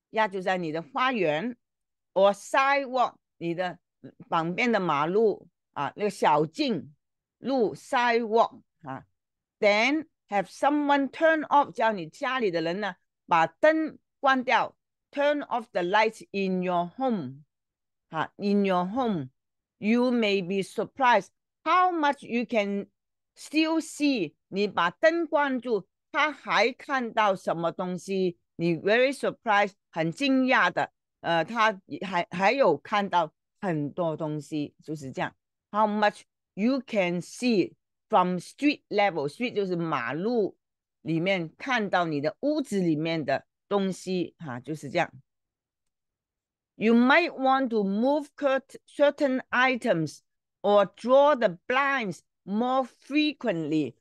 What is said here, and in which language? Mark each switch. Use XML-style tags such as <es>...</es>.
<zh>就在你的花园</zh> <en>or sidewalk</en> <zh>你的旁边的马路啊那个小径路 sidewalk 哈，</zh> <en>then have someone turn off</en> <zh>叫你家里的人呢。把灯关掉，</zh> <en>turn off the lights in your home，哈，in your home，you may be surprised how much you can still see。</en> <zh>你把灯关住，他还看到什么东西？你</zh> <en>very surprised，</en> <zh>很惊讶的，他还有看到很多东西，就是这样。</zh> <en>How much you can see from street level？Street 就是马路。</en> <zh>里面看到你的屋子里面的东西，哈，就是这样。</zh> <en>You might want to move certain items or draw the blinds more frequently.</en>